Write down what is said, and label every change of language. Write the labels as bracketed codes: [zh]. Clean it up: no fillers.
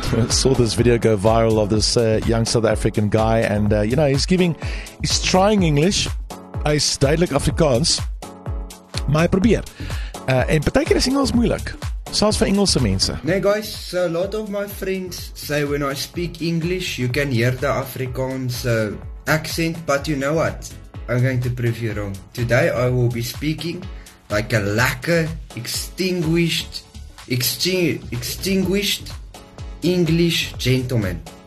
[en] Saw this video go viral of this young South African guy, and you know, he's trying English. [af] Hy stadig Afrikaans, maar hy probeer. En baie keer is Engels moeilik, selfs vir Engelse mense. [en] Nee guys, so a lot of my friends say when I speak English, you can hear the Afrikaans accent, but you know what? I'm going to prove you wrong. Today I will be speaking like a lekker extinguished English gentleman.